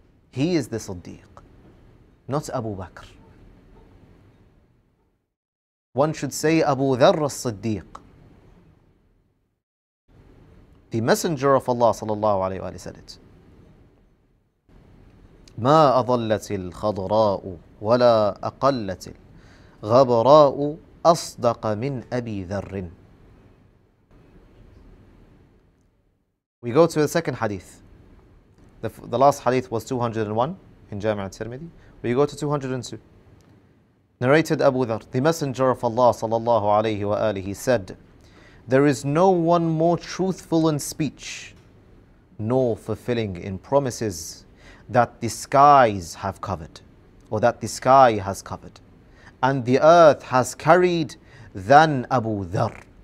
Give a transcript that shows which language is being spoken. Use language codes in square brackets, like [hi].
[en] He is the Siddiq, not Abu Bakr. One should say Abu Dharr al-Siddiq, the Messenger of Allah sallallahu alayhi wa sallam said it. [ar] ما أضلت الخضراء ولا أقلت الغبراء أصدق من أبي ذر. [en] We go to the second hadith. The last hadith was 201 in Jami' al-Tirmidhi. We go to 202. Narrated Abu Dharr, the Messenger of Allah sallallahu alayhi wa alihi said, there is no one more truthful in speech, nor fulfilling in promises that the skies have covered, or that the sky has covered, and the earth has carried than Abu Dharr.